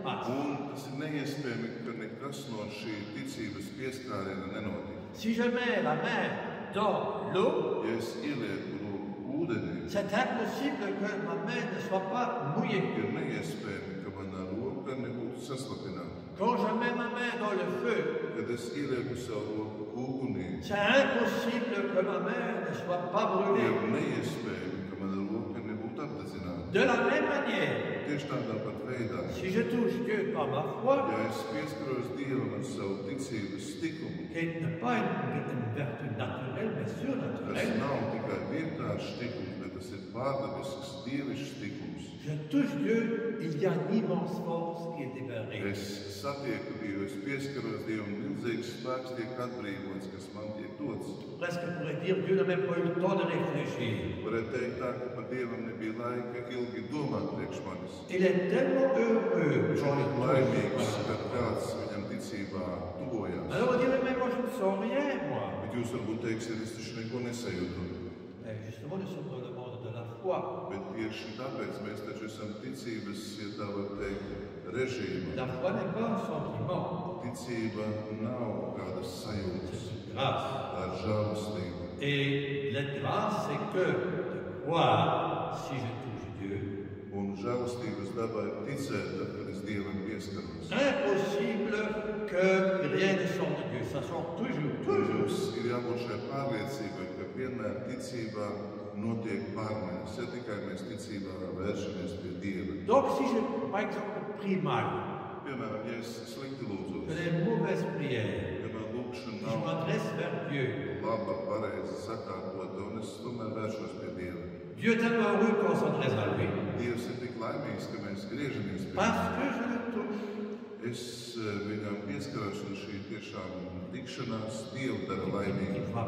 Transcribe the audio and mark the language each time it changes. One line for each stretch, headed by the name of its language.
Latvian: Un tas ir neiespējami, ka nekas no šī ticības pieskāriena nenotiek.
French: Si je mets la main dans l'eau,
Latvian: ja es ielieku roku ūdenī,
French: c'est impossible que ma main ne soit pas mouillée.
Latvian: Ir neiespējami, ka manā roka nebūtu sasvapināta.
French: Quand je mets ma main dans le feu,
Latvian: kad es ielieku savu roku ūdenī,
French: c'est impossible que ma main ne soit pas brûlée.
Latvian: Ir neiespējami, ka manā roka nebūtu apdedzināta.
French: De la même manière,
Latvian: tieši tādā pat veidā,
French: si je touche Dieu par ma foi,
Latvian: ja es pieskaros Dievam ar savu ticības stikumu,
French: qui est ne pas une vertu naturelle, mais surnaturelle,
Latvian: tas nav tikai vienkārši stikums, bet tas ir pārdabisks, dievišs stikums.
French: Je touche Dieu, il y a une immense force qui est libérée.
Latvian: Es satieku Dievu, es pieskaros Dievam, milzīgs spēks tiek atbrīvots, kas man tiek dots.
French: Presque pourrait dire, Dieu n'a même pas eu le temps de réfléchir.
Latvian: Varētu teikt tā, ka par Dievam nebija laika ilgi domāt priekš manis.
French: Il est tellement heureux.
Latvian: Viņš ir laimīgs, ka kāds viņam ticībā tuvojās.
French: Alors, Dieu n'a même pas eu le temps de réfléchir.
Latvian: Bet jūs varbūt teiksiet, es taču neko nesajūtu.
French: Justement, nous sommes dans le monde de la foi.
Latvian: Bet tieši tāpēc mēs taču esam ticības, ja tā var teikt, režīma.
French: La foi n'est pas un sentiment.
Latvian: Ticība nav kādas sajūtas.
French: Grâce.
Latvian: Tā ir žēlastība.
French: Et la grâce, c'est que de croire, si je touche Dieu.
Latvian: Un žēlastības dabā ir ticēt, kad es Dievam pieskaros.
French: Impossible que rien ne sorte de Dieu. Ça sort toujours, toujours.
Latvian: Ir jābūt šai pārliecībai, ka vienmēr ticībā notiek pārmaiņas. Ja tikai mēs ticībā vēršamies pie Dieva.
French: Donc, si je, par exemple, prie mal.
Latvian: Piemēram, ja es slikti lūdzos.
French: Que les mauvaises prières.
Latvian: Ja man lūkšu nav.
French: Je m'adresse vers Dieu.
Latvian: Labā, pareizi sakārtota, un es tomēr vēršos pie Dieva.
French: Dieu est tellement heureux qu'on s'adresse à lui.
Latvian: Dievs ir tik laimīgs, ka mēs griežamies pie.
French: Parce que je le touche.
Latvian: Es viņam pieskaros un šī tiešām tikšanās Dievu dara laimīgu.